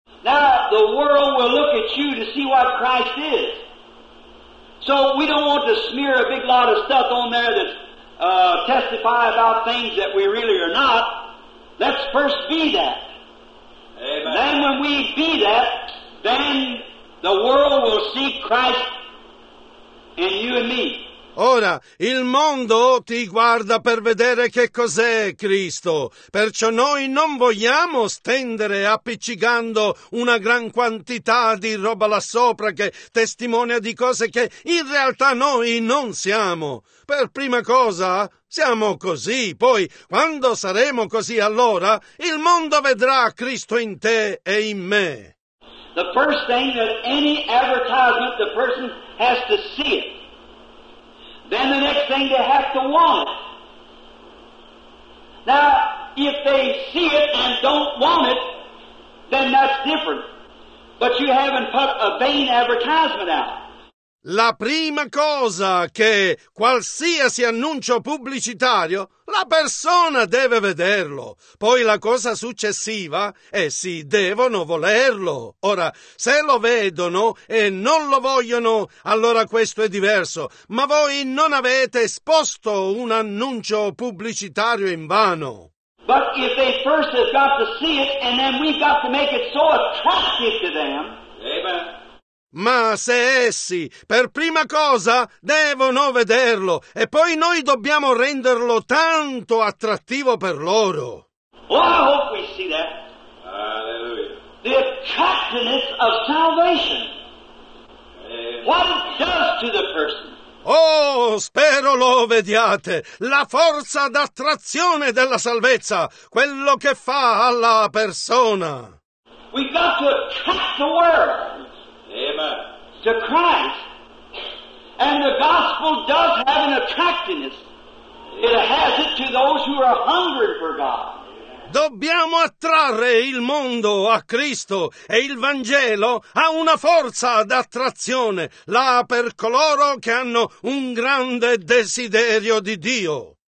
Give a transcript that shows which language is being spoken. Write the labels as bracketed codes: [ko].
[en] Now the world will look at you to see what Christ is. So we don't want to smear a big lot of stuff on there that testify about things that we really are not. Let's first be that. Amen. Then when we be that, then the world will see Christ. And you and me. [it] Ora, il mondo ti guarda per vedere che cos'è Cristo, perciò noi non vogliamo stendere appiccicando una gran quantità di roba là sopra che testimonia di cose che in realtà noi non siamo. Per prima cosa siamo così, poi quando saremo così allora il mondo vedrà Cristo in te e in me. [en] The first thing that any advertisement, the person has to see it. Then the next thing, they have to want it. Now, if they see it and don't want it, then that's different. But you haven't put a vain advertisement out. [it] La prima cosa che qualsiasi annuncio pubblicitario, la persona deve vederlo. Poi la cosa successiva, essi devono volerlo. Ora, se lo vedono e non lo vogliono, allora questo è diverso. Ma voi non avete esposto un annuncio pubblicitario invano. [en] But if they first have got to see it, and then we've got to make it so attractive to them. Amen. [it] Ma se essi per prima cosa devono vederlo, e poi noi dobbiamo renderlo tanto attrattivo per loro. [en] Well, I hope we see that. Hallelujah. The attractiveness of salvation. What it does to the person. [it] Oh, spero lo vediate, la forza d'attrazione della salvezza, quello che fa alla persona. [en] We've got to attract the world. Amen. To Christ. And the gospel does have an attractiveness. It has it to those who are hungry for God. [it] Dobbiamo attrarre il mondo a Cristo, e il Vangelo ha una forza d'attrazione là per coloro che hanno un grande desiderio di Dio.